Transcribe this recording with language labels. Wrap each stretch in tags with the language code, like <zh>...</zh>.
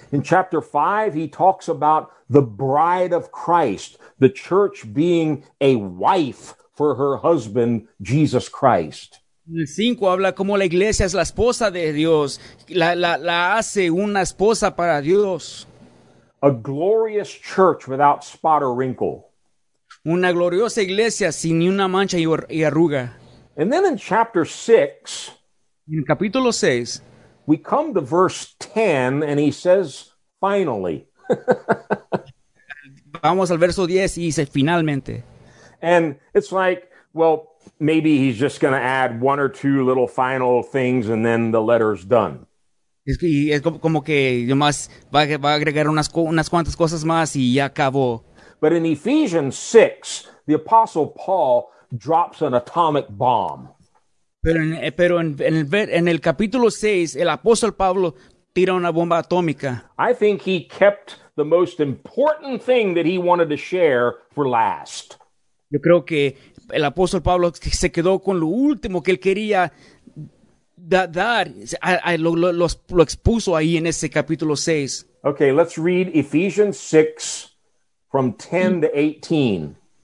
<en>In chapter 5, he talks about the bride of Christ, the church being a wife for her husband, Jesus Christ.</en> <es>En el 5 habla cómo la iglesia es la esposa de Dios, la hace una esposa para Dios.</es> <en>A glorious church without spot or wrinkle.</en> <es>Una gloriosa iglesia sin ni una mancha y arruga.</es> <en>And then in chapter 6,</en> <es>en capítulo 6,</es> <en>we come to verse 10 and he says, finally.</en> <es>Vamos al verso 10 y dice, finalmente.</es> <en>And it's like, well, maybe he's just going to add one or two little final things and then the letter's done.</en> <es>Es como que nomás va a agregar unas cuantas cosas más y ya acabó.</es> <en>But in Ephesians 6, the Apostle Paul drops an atomic bomb.</en> <es>Pero en el capítulo 6, el Apóstol Pablo tira una bomba atómica.</es> <en>I think he kept the most important thing that he wanted to share for last.</en> <es>Yo creo que el Apóstol Pablo se quedó con lo último que él quería dar. Lo expuso ahí en ese capítulo 6.</es> <en>Okay, let's read Ephesians 6 from 10 to 18.</en>